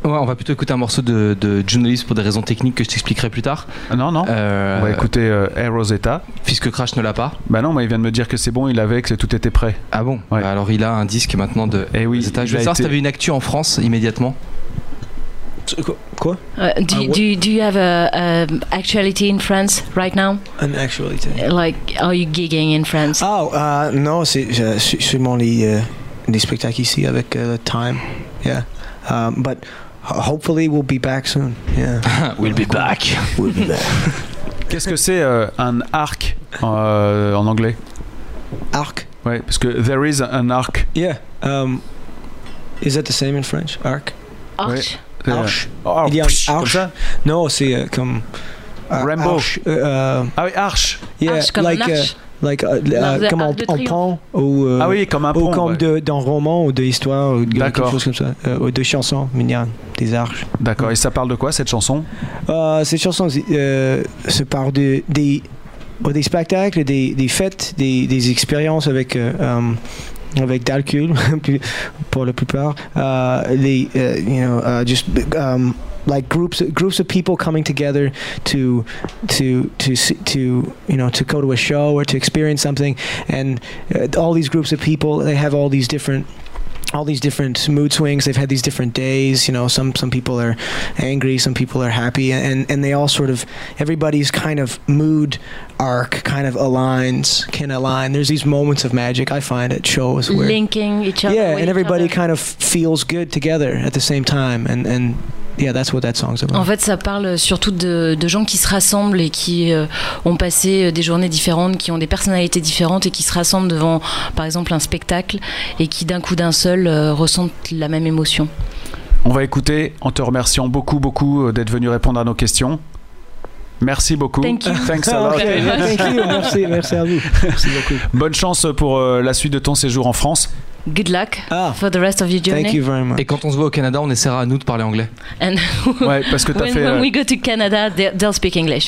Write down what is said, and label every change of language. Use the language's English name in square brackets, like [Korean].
[French] Ouais, on va plutôt écouter un morceau de Journalist pour des raisons techniques que je t'expliquerai plus tard. Non. On va écouter Erosetta. Puisque Crash ne l'a pas. Bah non, mais il vient de me dire que c'est bon, il l'avait, que tout était prêt. Ah bon, ouais. Bah alors il a un disque maintenant de Erosetta. Je voulais savoir si tu avais une actu en France immédiatement. Quoi? [English] Do you have a actuality in France right now? An actuality. Like, are you gigging in France? [French] Oh, non, c'est seulement les spectacles ici avec le Time. [English] Yeah. But hopefully we'll be back soon. Yeah. We'll be back. We'll be back. [French] Qu'est-ce que c'est un arc en anglais? Arc? Ouais, parce que [English] there is an arc. Yeah. Is that the same in French? Arc? Arch? Ouais. [French] Arche. Arche. Arche. Non, c'est comme Rambo. Arche. Ah oui, arche. Yeah, arche comme [English] like [French] un like comme en pont ou ah oui, comme un pont ou comme dans roman ou de histoire ou de quelque chose comme ça ou de chanson, mignonne, des arches. D'accord. Ouais. Et ça parle de quoi cette chanson? Cette chanson, se parle de des spectacles, des fêtes, des expériences avec. Avec d'alcool pour la plupart, [English] like groups of people coming together to go to a show or to experience something, and all these groups of people, they have all these different mood swings. They've had these different days, you know. Some people are angry, some people are happy, and they all sort of, everybody's kind of mood arc kind of aligns, can align. There's these moments of magic I find at shows where linking each other. Yeah, and everybody kind of feels good together at the same time, and yeah, that's what that song's about. [French] En fait, ça parle surtout de gens qui se rassemblent et qui ont passé des journées différentes, qui ont des personnalités différentes et qui se rassemblent devant, par exemple, un spectacle et qui, d'un coup d'un seul, ressentent la même émotion. On va écouter en te remerciant beaucoup, beaucoup d'être venu répondre à nos questions. Merci beaucoup. [English] Thank you. Thanks a lot. Thank you. [French] Merci à vous. Merci beaucoup. Bonne chance pour la suite de ton séjour en France. [English] Good luck for the rest of your journey. Thank you very much. [French] Et quand on se voit au Canada, on essaiera à nous de parler anglais. [English] And [French] ouais, parce que t'as [English] when, [French] fait, [English] when we go to Canada, they'll speak English.